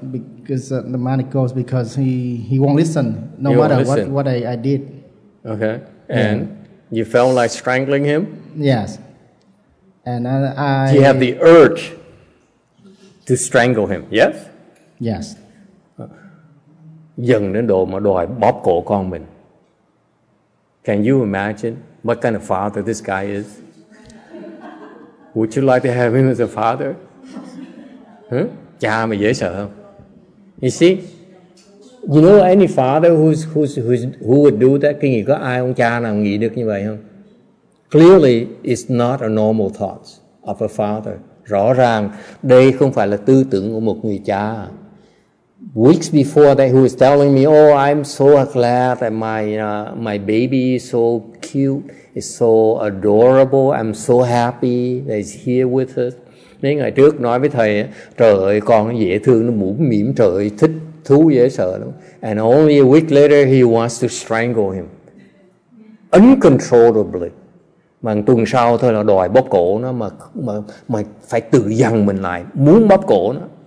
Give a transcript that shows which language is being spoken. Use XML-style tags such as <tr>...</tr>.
<en>the manic goes, because he won't listen, what I did. Okay. And you felt like strangling him? Yes. And I do you have the urge to strangle him? Yes? Yes.</en> <vi>Dần đến độ mà đòi bóp cổ con mình.</vi> <en>Can you imagine what kind of father this guy is? Would you like to have him as a father?</en> <vi>Cha mà dễ sợ không?</vi> <en>You see? You know any father who would do that?</en> <vi>Kinh nghiệm có ai ông cha nào nghĩ được như vậy không?</vi> <en>Clearly, it's not a normal thought of a father.</en> <vi>Rõ ràng, đây không phải là tư tưởng của một người cha.</vi> <en>Weeks before that, he was telling me, "Oh, I'm so glad that my baby is so cute, is so adorable. I'm so happy that he's here with us."</en> <vi>Mấy ngày trước nói với thầy, trời ơi, con dễ thương, nó mũm mĩm, trời ơi, thích thú dễ sợ lắm.</vi> <en>And only a week later, he wants to strangle him. Uncontrollably.</en> <vi>Mà tuần sau thôi là đòi bóp cổ nó, mà phải tự dằn mình lại, muốn bóp cổ nó.</vi>